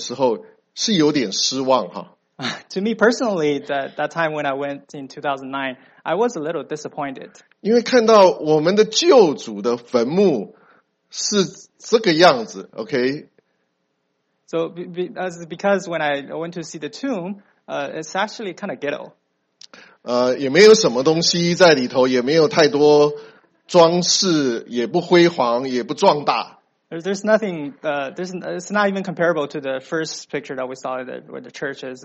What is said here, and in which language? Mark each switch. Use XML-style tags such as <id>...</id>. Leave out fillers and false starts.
<zh>对我来讲，我那一次去2009年的时候是有点失望哈。To</zh> <en>me personally, that time when I went in 2009, I was a little disappointed.</en> <zh>因为看到我们的救主的坟墓。是这个样子, okay?</zh> <en>So, because when I went to see the tomb, it's actually kind of ghetto.</en> <zh>也没有什么东西在里头, 也没有太多装饰, 也不辉煌, 也不壮大。</zh> <en>There's nothing, it's not even comparable to the first picture that we saw where the church is.</en>